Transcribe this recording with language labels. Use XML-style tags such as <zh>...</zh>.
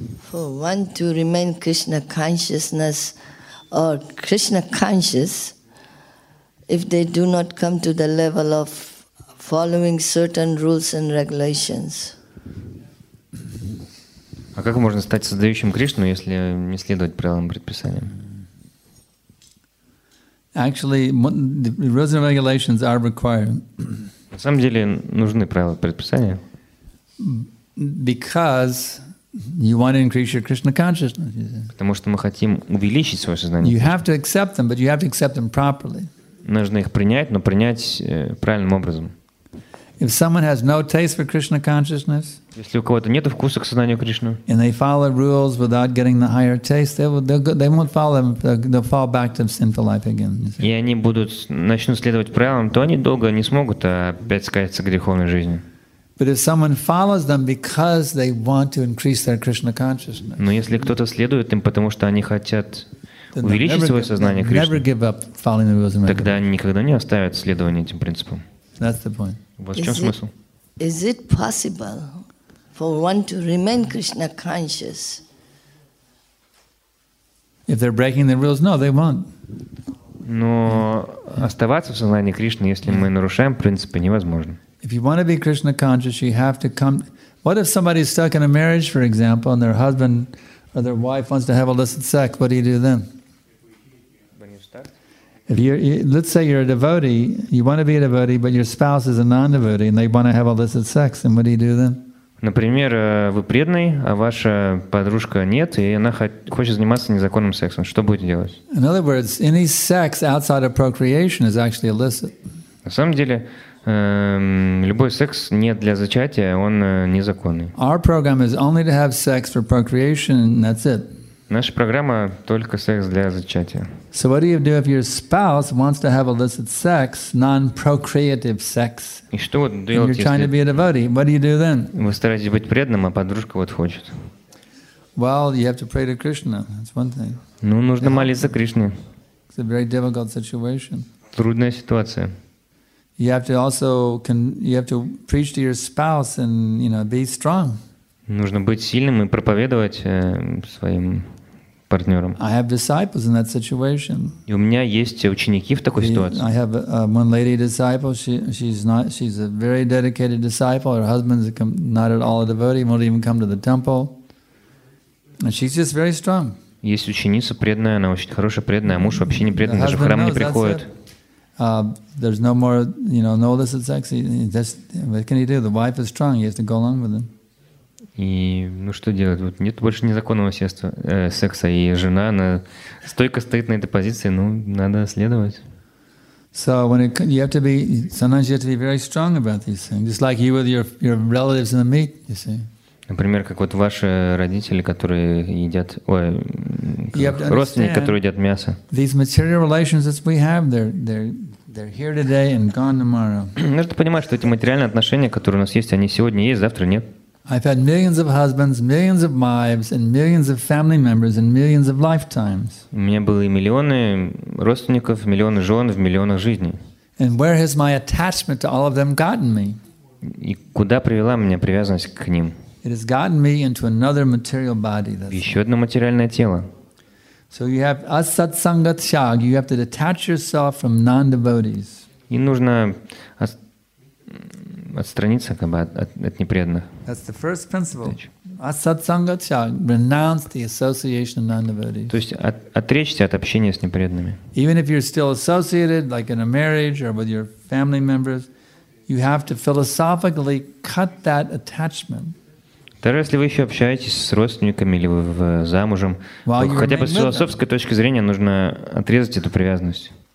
<en>For one to remain Krishna consciousness or Krishna conscious, if they do not come to the level of following certain rules and regulations.</en> <ru>А как можно стать создающим Кришну, если не следовать правилам и предписаниям?</ru> <en>Actually, the rules and regulations are required.</en> <ru>На самом деле нужны правила и предписания.</ru> <en>Because you want to increase your Krishna consciousness.</en> <ru>Потому что мы хотим увеличить свое сознание.</ru> <en>You have to accept them, but you have to accept them properly.</en> <ru>нужно их принять, но принять правильным образом.</ru> <en>If someone has no taste for Krishna consciousness,</en> <ru>если у кого-то нет вкуса к сознанию Кришны,</ru> <en>and they follow rules without getting the higher taste, they won't follow them. They'll fall back to sinful life again.</en> <ru>И они будут начнут следовать правилам, то они долго не смогут опять скатиться к греховной жизни.</ru> <en>But if someone follows them because they want to increase their Krishna consciousness,</en> <ru>но если кто-то следует им, потому что они хотят увеличить свое сознание Кришны, тогда они никогда не оставят следование этим принципам.</ru> <en>That's the point.</en> <ru>Вот в чем смысл?</ru> <en>Is it possible for one to remain Krishna conscious? If they're breaking the rules, no, they won't.</en> <ru>Но оставаться в сознании Кришны, если мы нарушаем принципы, невозможно.</ru> <en>If you want to be Krishna conscious, you have to come. What if somebody is stuck in a marriage, for example, and their husband or their wife wants to have illicit sex? What do you do then? If you're, let's say you're a devotee, you want to be a devotee, but your spouse is a non-devotee and they want to have illicit sex, then what do you do then?</en> <ru>Например, вы преданный, а ваша подружка нет, и она хочет заниматься незаконным сексом. Что будете делать?</ru> <en>In other words, any sex outside of procreation is actually illicit.</en> <ru>На самом деле, любой секс не для зачатия, он незаконный.</ru> <en>Our program is only to have sex for procreation, and that's it.</en> <ru>Наша программа только секс для зачатия.</ru> <en>So what do you do if your spouse wants to have illicit sex, non-procreative sex?</en> <ru>И что вы делаете,</ru> <en>and you're trying to be a devotee? What do you do then?</en> <ru>Вы стараетесь быть преданным, а подружка вот хочет.</ru> <en>Well, you have to pray to Krishna. That's one thing.</en> <ru>Ну, нужно молиться Кришне.</ru> <en>It's a very difficult situation.</en> <ru>Трудная ситуация.</ru> <en>You have to also you have to preach to your spouse and, you know, be strong.</en> <ru>Нужно быть сильным и проповедовать своим партнерам.</ru> <en>I have disciples in that situation.</en> <ru>И у меня есть ученики в такой ситуации.</ru> <en>I have one lady disciple. She's a very dedicated disciple. Her husband's not at all a devotee. Won't even come to the temple. And she's just very strong.</en> <ru>Есть ученица преданная, она очень хорошая преданная, а муж вообще не преданный, даже в храм не приходит.</ru> <en>There's no more, you know, no illicit sex. What can he do? The wife is strong. He has to go along with him.</en> <ru>И ну что делать? Вот нет больше незаконного сеста, секса, и жена она стойко стоит на этой позиции, ну надо следовать.</ru> <en>So when it, you have to be, sometimes you have to be very strong about these things, just like you with your relatives in the meat, you see.</en> <ru>Например, как вот ваши родители, которые едят, родственники, которые едят мясо.</ru> <en>These material relations that we have, they're here today and gone tomorrow.</en> <ru>Нужно понимать, что эти материальные отношения, которые у нас есть, они сегодня есть, завтра нет.</ru> <en>I've had millions of husbands, millions of wives, and millions of family members, and millions of lifetimes.</en> <ru>У меня были миллионы родственников, миллионы жен в миллионах жизней.</ru> <en>And where has my attachment to all of them gotten me?</en> <ru>И куда привела меня привязанность к ним?</ru> <en>It has gotten me into another material body.</en> <ru>Еще одно материальное тело.</ru> <en>So you have asat sangat shag. You have to detach yourself from non-devotees.</en> <ru>И нужно отстраниться как бы от непреданных.</ru> <en>That's the first principle. Asat sangat shag. Renounce the association of non-devotees.</en> <ru>То есть отречься от общения с непреданными.</ru> <en>Even if you're still associated, like in a marriage or with your family members, you have to philosophically cut that attachment.</en> <ru>Даже если вы еще общаетесь с родственниками или вы замужем, хотя бы с философской точки зрения нужно отрезать эту привязанность.</ru>